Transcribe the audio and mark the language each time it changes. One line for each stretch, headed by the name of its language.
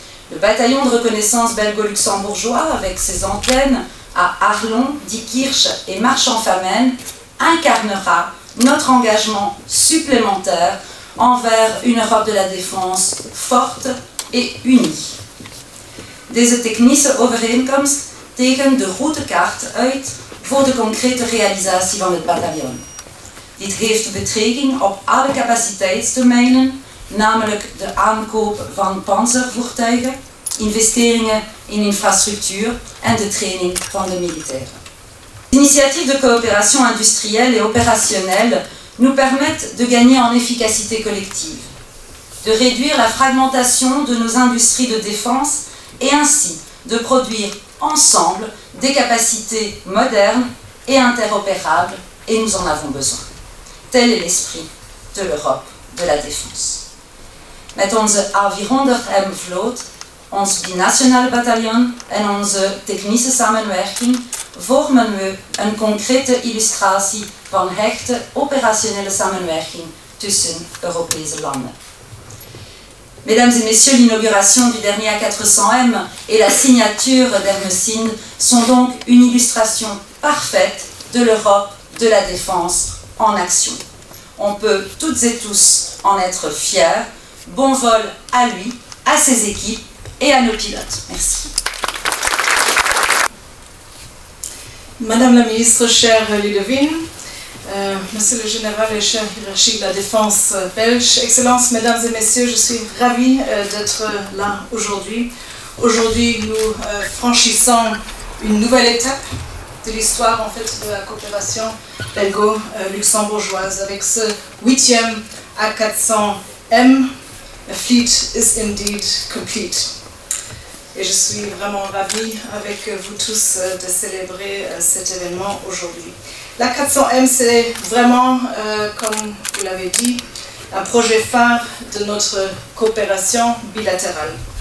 French: Le bataillon de reconnaissance belgo-luxembourgeois, avec ses antennes à Arlon, Diekirch et Marchand-Famenne, incarnera notre engagement supplémentaire envers une Europe de la défense forte et unie.
Dutch: Deze technische overeenkomst tekent de routekaart uit voor de concrete realisatie van het bataillon. Dit heeft betrekking op alle capaciteitsdomeinen, namelijk de aankoop van panzervoertuigen, investeringen in infrastructuur en de training van de militairen.
French: L'initiative de coopération industrielle et opérationnelle nous permettent de gagner en efficacité collective, de réduire la fragmentation de nos industries de défense et ainsi de produire ensemble des capacités modernes et interopérables, et nous en avons besoin. Tel est l'esprit de l'Europe de la Défense.
Dutch: Met onze A400M vloot, ons binationale bataillon en onze technische samenwerking vormen we een concrete illustratie van hechte opérationnelle samenwerking tussen Europese landen.
French: Mesdames et messieurs, l'inauguration du dernier A400M et la signature d'Hermesyne sont donc une illustration parfaite de l'Europe de la Défense en action. On peut toutes et tous en être fiers. Bon vol à lui, à ses équipes et à nos pilotes. Merci. Madame la ministre, chère Ludovine, monsieur le général et chère hiérarchie de la défense belge, excellences, mesdames et messieurs, je suis ravie d'être là aujourd'hui. Aujourd'hui, nous franchissons une nouvelle étape de l'histoire en fait de la coopération belgo-luxembourgeoise avec ce 8e A400M.
English: The fleet is indeed complete.
French: Et je suis vraiment ravie avec vous tous de célébrer cet événement aujourd'hui. L'A400M, c'est vraiment, comme vous l'avez dit, un projet phare de notre coopération bilatérale.